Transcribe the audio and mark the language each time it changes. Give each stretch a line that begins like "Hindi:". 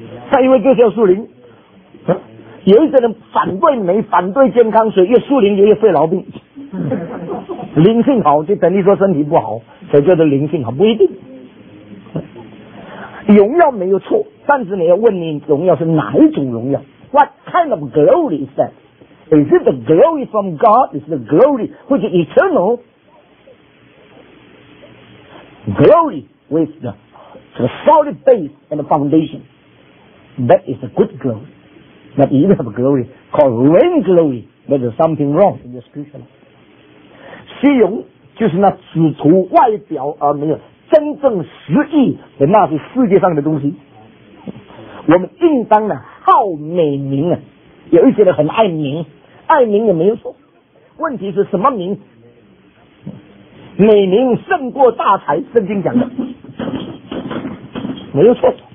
Chinese: 他以为就是要属灵。有一些人反对美，反对健康，所以越属灵就越肺痨病。灵性好就等于说身体不好，所以叫做灵性好，不一定。荣耀没有错，但是你要问你荣耀是哪一种荣耀 ？
English: What kind of glory is that? Is it the glory from God? Is the glory which is eternal? Glory with the solid base and the foundation. That is a good glory. But if you have a glory called rain glory, there is something wrong in your spiritual life.
Chinese: 虚荣就是那只图外表而没有真正实意的那些世界上的东西。我们应当呢好美名啊，有一些人很爱名。爱名也没有错，问题是什么名？美名胜过大财，圣经讲的没有错。